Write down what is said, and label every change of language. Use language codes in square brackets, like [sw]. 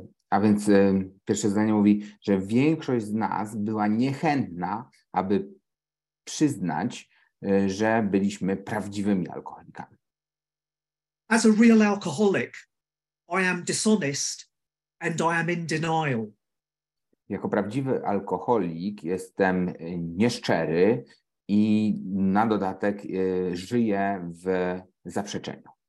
[pl] A więc pierwsze zdanie mówi, że większość z nas była niechętna, aby przyznać, że byliśmy prawdziwymi alkoholikami. [en] As a real alcoholic, I am dishonest and I am in denial. [pl] Jako prawdziwy alkoholik jestem nieszczery i na dodatek żyję w zaprzeczeniu.